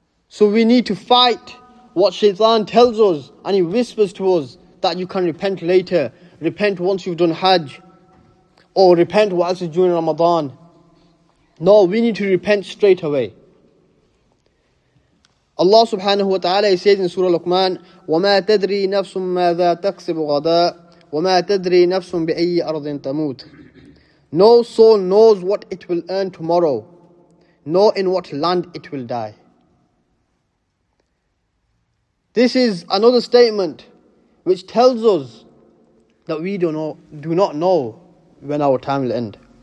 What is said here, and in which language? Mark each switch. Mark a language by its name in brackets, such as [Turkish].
[English] So we need to fight what shaitan tells us and he whispers to us that you can repent later. Repent once you've done Hajj. Or repent whilst it's during Ramadan. No, we need to repent straight away. Allah subhanahu wa ta'ala says in Surah Luqman, [Arabic] وَمَا تَدْرِي نَفْسٌ مَاذَا تَقْسِبُ غَدَاءً وَمَا تَدْرِي نَفْسٌ بِأَيِّ أَرْضٍ تَمُوتٍ. [English] No soul knows what it will earn tomorrow, nor in what land it will die. This is another statement which tells us that we do not know when our time will end.